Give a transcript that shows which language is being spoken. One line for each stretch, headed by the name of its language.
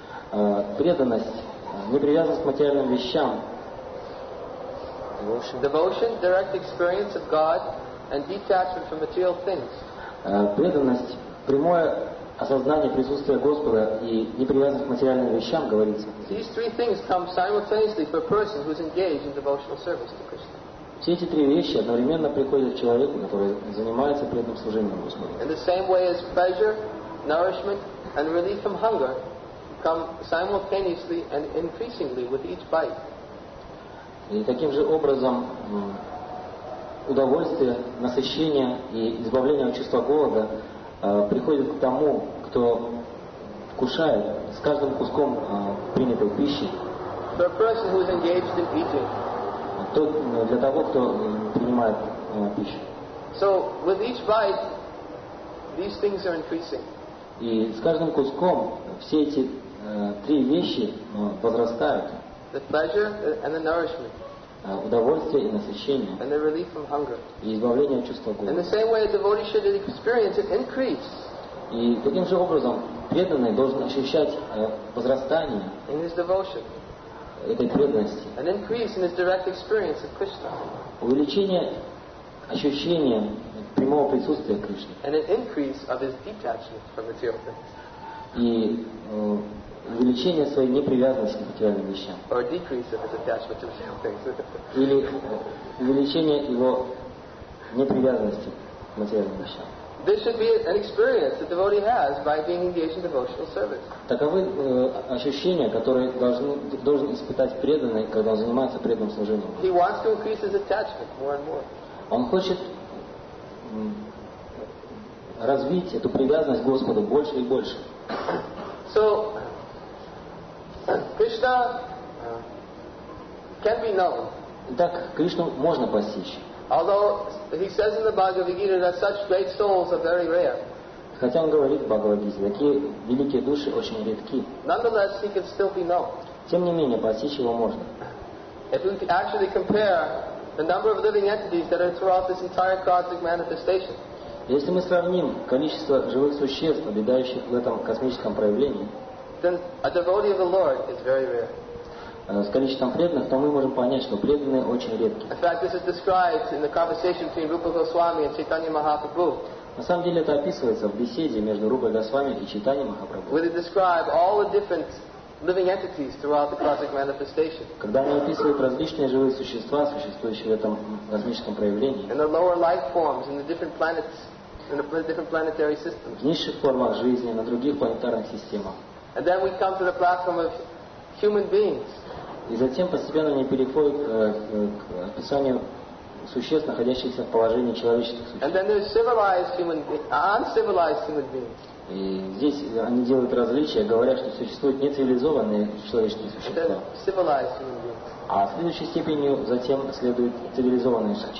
Russian: Преданность, непривязанность к материальным вещам.
English: Devotion, direct experience of God, and detachment from material things.
Russian: Преданность, прямое осознание присутствия Господа и непривязанность к материальным вещам, говорится.
English: These three things come simultaneously for a person who is engaged in devotional service to Krishna.
Russian: Все эти три вещи одновременно приходят к человеку, который занимается преданным служением Господу.
English: In the same way as pleasure, nourishment, and relief from hunger come simultaneously and increasingly with each bite.
Russian: И таким же образом удовольствие, насыщение и избавление от чувства голода приходит к тому, кто вкушает с каждым куском принятой пищи.
English: For a person who is engaged in eating.
Russian: Для того, кто принимает пищу.
English: So, with each bite, these things are increasing.
Russian: И с каждым куском все эти три вещи возрастают.
English: The pleasure and the nourishment.
Russian: Удовольствие и насыщение.
English: And the relief from hunger.
Russian: И избавление от чувства голода.
English: In the same way, a devotee should experience an increase.
Russian: И таким же образом преданный должен ощущать возрастание.
English: In his devotion.
Russian: Этой преданности.
English: An increase in his direct experience of Krishna.
Russian: Увеличение ощущения прямого присутствия Кришны.
English: And an increase of his detachment from material things.
Russian: И увеличение своей непривязанности к материальным вещам.
English: Or a decrease of his attachment to material things.
Russian: Или увеличение его непривязанности к материальным вещам.
English: This should be an experience that the devotee has by being engaged in devotional service.
Russian: Таковы ощущения, которые должен испытать преданный, когда он занимается преданным служением.
English: He wants to increase his attachment more and more.
Russian: Он хочет развить эту привязанность к Господу больше и больше.
English: So, Krishna can be known.
Russian: Итак, Кришну можно постичь.
English: Although he says in the Bhagavad Gita that such great souls are very rare.
Russian: Хотя он говорит в Бхагавад-гите, такие великие души очень редки.
English: Nonetheless, he can still be known.
Russian: Тем не менее, постичь его можно.
English: If we actually compare the number of living entities that are throughout this entire cosmic manifestation.
Russian: Если мы сравним количество живых существ, обитающих в этом космическом проявлении,
English: then a devotee of the Lord is very rare.
Russian: С количеством преданных, то мы можем понять, что преданные очень редки.
English: In fact, this is described in the conversation between Rupa Goswami and Chaitanya Mahaprabhu.
Russian: На самом деле это описывается в беседе между Рупой Госвами и Чайтаньей Махапрабху.
English: Where they describe all the different living entities throughout the cosmic manifestation.
Russian: Когда они описывают различные живые существа, существующие в этом космическом проявлении.
English: And the lower life forms in the different planets, in the different planetary systems.
Russian: В низших формах жизни на других планетарных системах.
English: And then we come to the platform of human beings.
Russian: И затем постепенно они переходят к описанию существ, находящихся в положении человеческих существ.
English: And then there's civilized human uncivilized human beings.
Russian: И здесь они делают различия, говоря, что существуют нецивилизованные человеческие существа. А следующей степенью затем следуют цивилизованные